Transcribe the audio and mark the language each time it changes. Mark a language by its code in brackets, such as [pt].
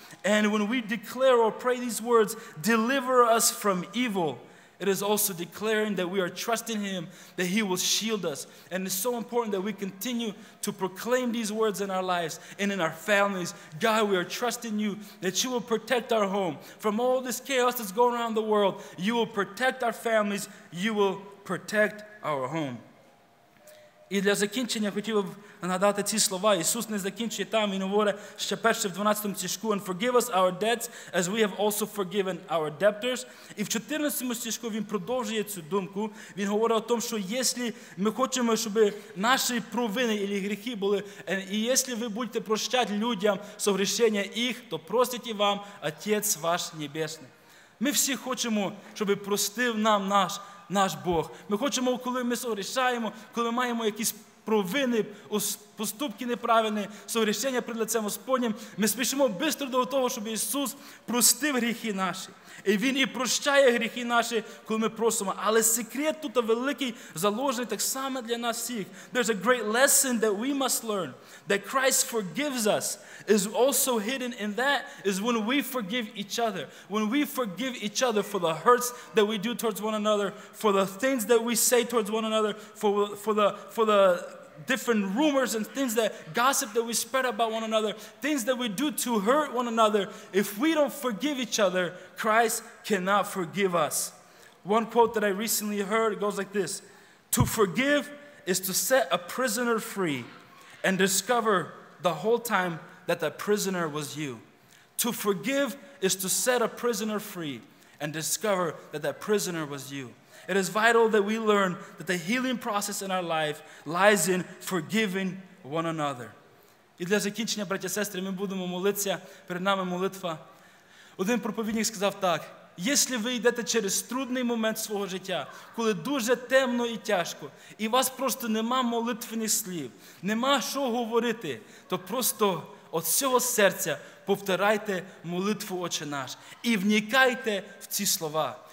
[en] And when we declare or pray these words, deliver us from evil, it is also declaring that we are trusting Him, that He will shield us. And it's so important that we continue to proclaim these words in our lives and in our families. God, we are trusting You that You will protect our home from all this chaos that's going around the world. You will protect our families. You will protect our home. [uk] І для закінчення хотів би нагадати ці слова. Ісус не закінчує там, Він говорить ще перше в 12-му стишку, [en] «And forgive us our debts, as we have also forgiven our debtors». [uk] І в 14-му стишку Він продовжує цю думку. Він говорить о тому, що якщо ми хочемо, щоб наші провини або гріхи були, і якщо ви будете прощати людям согрішення їх, то простить і вам Отець ваш Небесний. Ми всі хочемо, щоб простив нам наш Бог. Ми хочемо, коли ми согрішаємо, коли маємо якісь провини, поступки неправильні, согрішення перед лицем Господнім, ми спішимо швидко до того, щоб Ісус простив гріхи наші. І Він і прощає гріхи наші, коли ми просимо. Але секрет тут великий, заложений так само для нас всіх. [en] There's a great lesson that we must learn, that Christ forgives us, is also hidden in that, is when we forgive each other. When we forgive each other for the hurts that we do towards one another, for the things that we say towards one another, for the different rumors and things that gossip that we spread about one another, things that we do to hurt one another, if we don't forgive each other, Christ cannot forgive us. One quote that I recently heard goes like this: to forgive is to set a prisoner free and discover the whole time that the prisoner was you. To forgive is to set a prisoner free and discover that prisoner was you. It is vital that we learn that the healing process in our life lies in forgiving one another. [uk] І для закінчення, браття, сестри, ми будемо молитися, перед нами молитва. Один проповідник сказав так: якщо ви йдете через трудний момент свого життя, коли дуже темно і тяжко, і у вас просто нема молитвених слів, нема що говорити, то просто від всього серця повторайте молитву «Отче наш» і вникайте в ці слова.